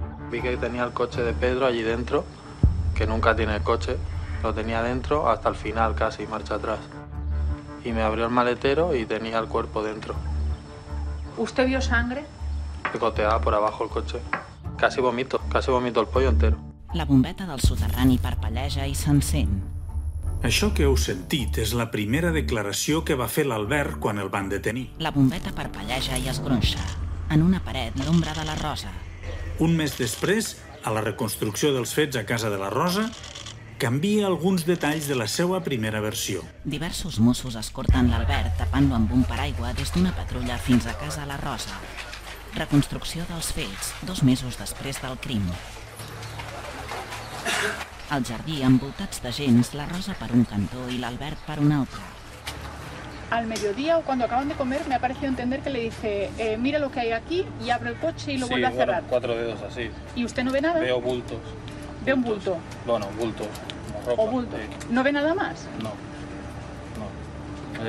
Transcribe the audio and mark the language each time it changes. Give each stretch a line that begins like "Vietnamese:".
Spanish: Vi que tenía el coche de Pedro allí dentro, que nunca tiene el coche. Lo tenía dentro hasta el final casi, marcha atrás. Y me abrió el maletero y tenía el cuerpo dentro. ¿Usted vio sangre? Picoteaba por abajo el coche. Casi vomito el pollo entero.
Catalan: La bombeta del soterrani parpelleja i s'encén. Això que heu sentit és la primera declaració que va fer l'Albert quan el van detenir. La bombeta parpelleja i es gronxa. En una paret, l'ombra de la Rosa. Un mes després, a la reconstrucció dels fets a casa de la Rosa, canvia alguns detalls de la seva primera versió. Diversos Mossos escorten l'Albert tapant-lo amb un paraigua des d'una patrulla fins a casa de la Rosa. Reconstrucció dels fets, 2 mesos després del crim. Al jardí, envoltats de gens, la Rosa per un cantó i l'Albert per un altre.
Spanish: Al mediodía o cuando acaban de comer me ha parecido entender que le dice mira lo que hay aquí y abre el coche y lo sí, vuelve a cerrar. Bueno, 4 dedos así. ¿Y usted no ve nada? Veo bultos. ¿Ve un bulto? Bueno, bultos. Ropa, o bulto. Sí. ¿No ve nada más? No.